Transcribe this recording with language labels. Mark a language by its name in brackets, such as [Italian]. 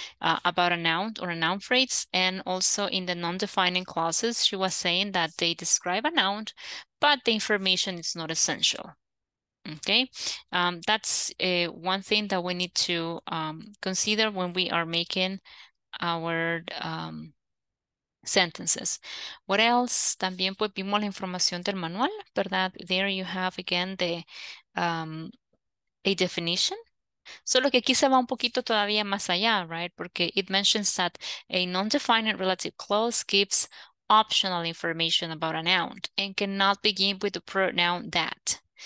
[English] About a noun or a noun phrase. And also in the non-defining clauses, she was saying that they describe a noun, but the information is not essential. Okay, that's one thing that we need to consider when we are making our sentences. What else? [Spanish] También pues vimos la información del manual, ¿verdad? [English] There you have again the a definition. [Spanish] Solo que aquí se va un poquito todavía más allá, right? [English] Porque it mentions that a non-defining relative clause gives optional information about a noun and cannot begin with the pronoun that.